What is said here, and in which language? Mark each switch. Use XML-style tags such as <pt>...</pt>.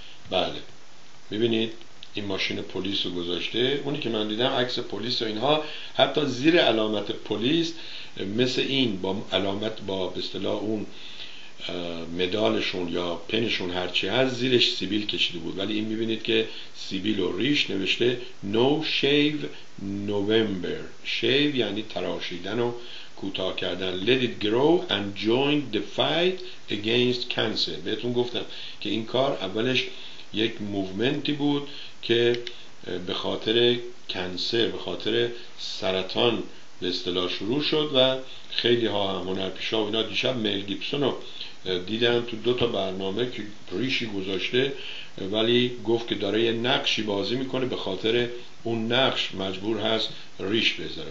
<fa>بله، میبینید این ماشین پلیس رو گذاشته، اونی که من دیدم عکس پلیس و اینها، حتی زیر علامت پلیس مثل این با علامت، با به اصطلاح اون مدالشون یا پنشون هرچی هست، زیرش سیبیل کشیده بود، ولی این میبینید که سیبیل و ریش نوشته</fa> <en>No Shave November.</en> <fa>Shave یعنی تراشیدن و کوتاه کردن.</fa> <en>Let it grow and join the fight against cancer.</en> <fa>بهتون گفتم که این کار اولش یک موومنتی بود که به خاطر کانسر، به خاطر سرطان به اصطلاح شروع شد و خیلی ها هم هنرپیشه ها و اینا دیشب میل گیبسون رو دیدم تو دو تا برنامه که ریشی گذاشته، ولی گفت که داره یه نقشی بازی میکنه، به خاطر اون نقش مجبور هست ریش بذاره.</fa>